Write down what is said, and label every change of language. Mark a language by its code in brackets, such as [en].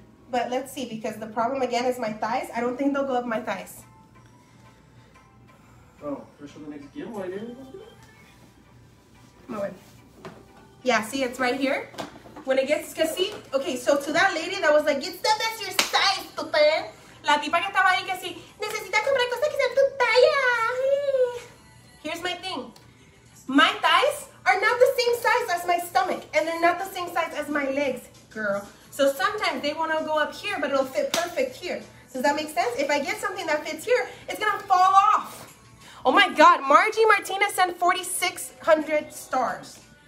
[en] But let's see, because the problem again is my thighs. I don't think they'll go up my thighs. Oh, there's something to give away, dude. My way. Yeah, see, it's right here. When it gets, cause see, okay, so to that lady that was like, it's the best your size, stupid. [es] La tipa que estaba ahí que sí, necesita comprar cosas que sean tu talla. [en] Here's my thing. My thighs are not the same size as my stomach, and they're not the same size as my legs, girl. So sometimes they want to go up here, but it'll fit perfect here. Does that make sense? If I get something that fits here, it's gonna fall off. Oh my God, Margie Martinez sent 4,600 stars.